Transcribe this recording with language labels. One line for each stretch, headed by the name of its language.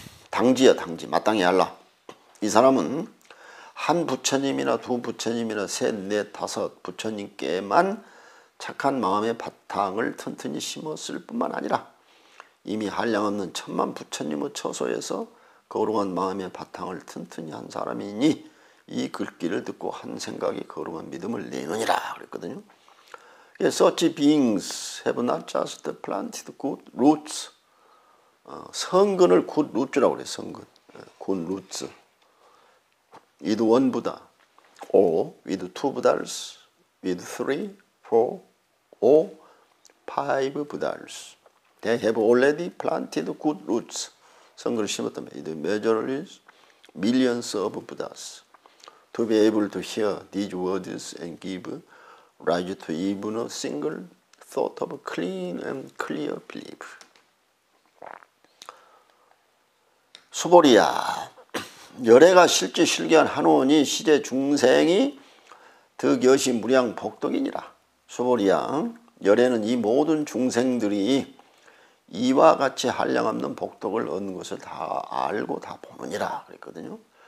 Korean: 당지야, 당지. 마땅히 알라. 이 사람은 한 부처님이나 두 부처님이나 셋, 넷, 다섯 부처님께만 착한 마음의 바탕을 튼튼히 심었을 뿐만 아니라 이미 한량없는 천만 부처님의 처소에서 거룩한 마음의 바탕을 튼튼히 한 사람이니 이 글귀를 듣고 한 생각이 거룩한 믿음을 내느니라 그랬거든요.
English: Such beings have not just planted good roots.
Korean: 성근을 good roots라고 그래요. 성근. good roots.
English: with one Buddha, or with two Buddhas, with three, four, or five Buddhas. They have already planted good roots.
Korean: 성근을 심었다면,
English: the majority is millions of Buddhas. To be able to hear these words and give rise to even a single thought of clean and clear belief.
Korean: 수보리야, 열애가 실지 실견 하노니 시제 중생이 득여시 무량 복덕이니라. 수보리야, 열애는 이 모든 중생들이 이와 같이 한량없는 복덕을 얻는 것을 다 알고 다 보느니라 그랬거든요.